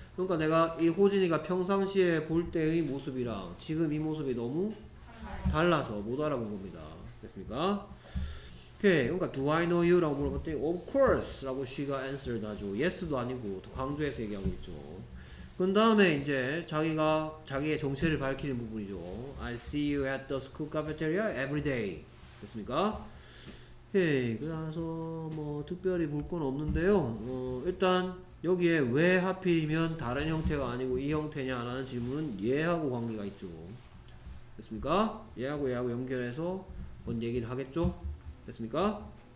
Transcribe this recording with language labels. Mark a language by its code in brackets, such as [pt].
[ko] 그러니까 내가 이 호진이가 평상시에 볼 때의 모습이랑 지금 이 모습이 너무 달라서 못 알아본 겁니다. 됐습니까? 오케이. 그러니까 [en] Do I know you? [ko] 라고 물어봤더니 [en] Of course! [ko] 라고 she가 answered 하죠. Yes도 아니고 또 강조해서 얘기하고 있죠. 그 다음에 이제 자기의 정체를 밝히는 부분이죠. [en] I see you at the school cafeteria every day. [ko] 됐습니까? 오케이. 그래서 뭐 특별히 볼 건 없는데요. 일단 여기에 왜 하필이면 다른 형태가 아니고 이 형태냐라는 질문은 얘하고 관계가 있죠. 됐습니까? 얘하고 연결해서 뭔 얘기를 하겠죠? 됐습니까?